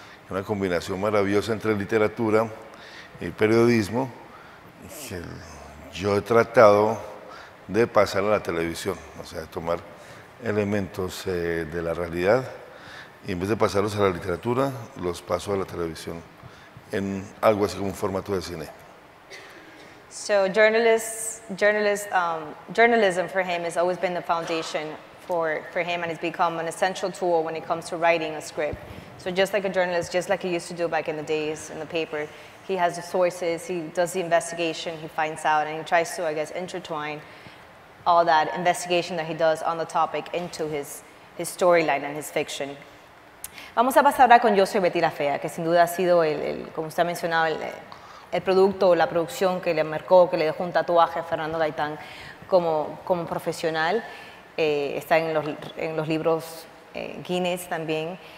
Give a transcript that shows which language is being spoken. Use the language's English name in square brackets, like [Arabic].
[Spanish] Una combinación maravillosa entre literatura y periodismo que yo he tratado de pasar a la televisión, o sea, de tomar elementos de la realidad y en vez de pasarlos a la literatura, los paso a la televisión en algo así como un formato de cine. [English] So journalism for him has always been the foundation for him, and it's become an essential tool when it comes to writing a script. So just like a journalist, just like he used to do back in the days in the paper, he has the sources, he does the investigation, he finds out, and he tries to, I guess, intertwine all that investigation that he does on the topic into his storyline and his fiction. [Spanish] Vamos a pasar ahora con Yo Soy Betty La Fea, que sin duda ha sido, como usted ha mencionado, el producto o la producción que le marcó, que le dejó un tatuaje a Fernando Gaitán como profesional. Está en los libros Guinness también.